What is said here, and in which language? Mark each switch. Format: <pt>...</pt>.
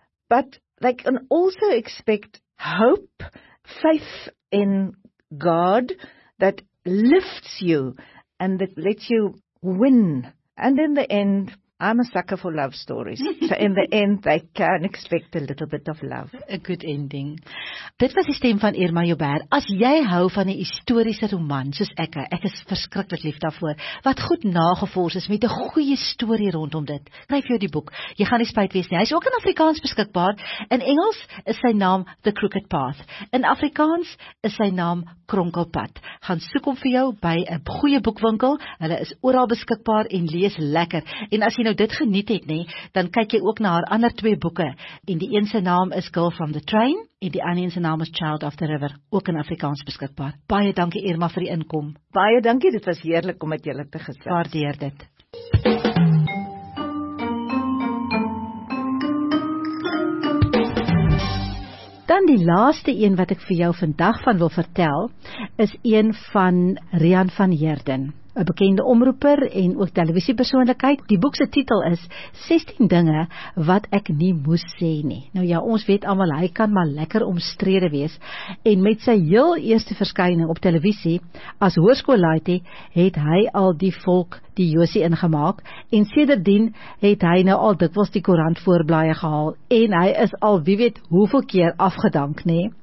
<en>But they can also expect hope, faith in God that lifts you and that lets you win. And in the end, I'm a sucker for love stories. So in the end, they can expect a little bit of love. A good ending.</en> <af>Dit was die stem van Irma Joubert. As jy hou van 'n historiese roman, soos ek is verskriklik lief daarvoor, wat goed nagevors is met 'n goeie storie rondom dit, kryf jou die boek. Jy gaan nie spyt wees nie. Hy is ook in Afrikaans beskikbaar. In Engels is sy naam The Crooked Path. In Afrikaans is sy naam Kronkelpad. Gaan soek hom vir jou by 'n goeie boekwinkel. Hulle is oral beskikbaar en lees lekker. En as jy nou dit geniet het, nie, dan kyk jy ook na haar ander twee boeke. En die een se naam is Girl from the Train, en die ander se naam is Child of the River, ook in Afrikaans beskikbaar. Baie dankie, Irma, vir die inkom. Baie dankie, dit was heerlik om met julle te gesels. Waardeer dit. Dan die laaste een wat ek vir jou vandag van wil vertel, is een van Rian van Heerden, 'n bekende omroeper en ook televisiepersoonlikheid. Die boek se titel is 16 dinge wat ek nie moes sê nie. Nou ja, ons weet almal hy kan maar lekker omstrede wees, en met sy heel eerste verskyning op televisie as hoërskoolleiter het hy al die volk die Josie ingemaak, en sedertdien het hy nou al dikwels die koerant voorblaaie gehaal, en hy is al wie weet hoeveel keer afgedank, nee.</af>